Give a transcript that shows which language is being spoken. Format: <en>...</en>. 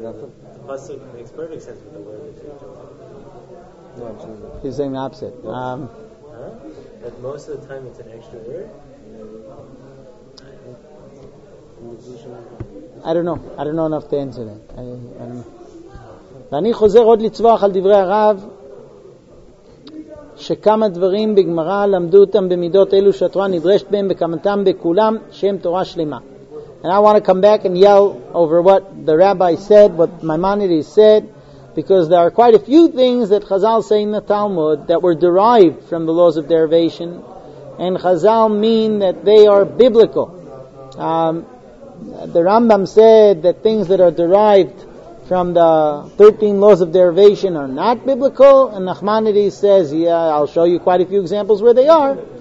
<en>The pasuk makes perfect sense with the word Gezeirah Shavah. No, I'm sure. He's saying the opposite. No. But most of the time it's an extra word? I don't know enough to answer that. I don't know.</en> <he>ואני חוזר עוד לצבוח על דברי הרב שכמה דברים בגמרא למדו אותם במידות אלו שהתורה נדרשת בהם וכמתם בכולם שהם תורה שלמה.</he> <en>And I want to come back and yell over what the rabbi said, what Maimonides said, because there are quite a few things that Chazal say in the Talmud that were derived from the laws of derivation, and Chazal mean that they are biblical. The Rambam said that things that are derived from the 13 laws of derivation are not biblical, and Nachmanides says, yeah, I'll show you quite a few examples where they are.</en>